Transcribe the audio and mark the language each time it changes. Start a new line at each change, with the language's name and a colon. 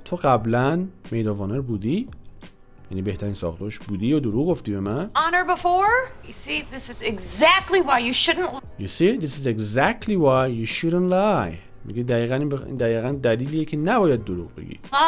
Persian: تو قبلا maid of honor بودی، یعنی بهترین ساختوش بودی، یا دروغ گفتی به من.
English: Honor before? You see, this is exactly why you shouldn't. You see, this is exactly why you shouldn't lie.
Persian: میگه دقیقاً دلیلیه که نباید دروغ بگی.